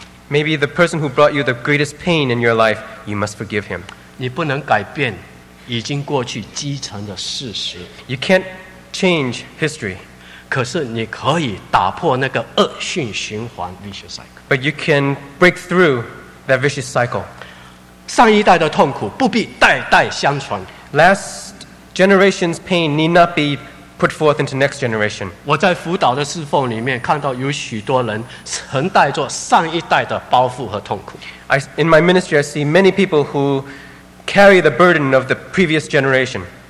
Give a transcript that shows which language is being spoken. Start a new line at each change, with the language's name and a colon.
English: Maybe the person who brought you the greatest pain in your life, you must forgive him.
Chinese: 你不能改变已经过去积成的事实。
English: You can't change history.
Chinese: 可是你可以打破那个恶性循环
English: vicious cycle. But you can break through that vicious cycle.
Chinese: 上一代的痛苦不必代代相传。
English: Last generation's pain need not be put forth into next generation.
Chinese: 我在辅导的侍奉里面看到有许多人承带着上一代的包袱和痛苦。
English: In my ministry, I see many people who carry the burden of the previous generation.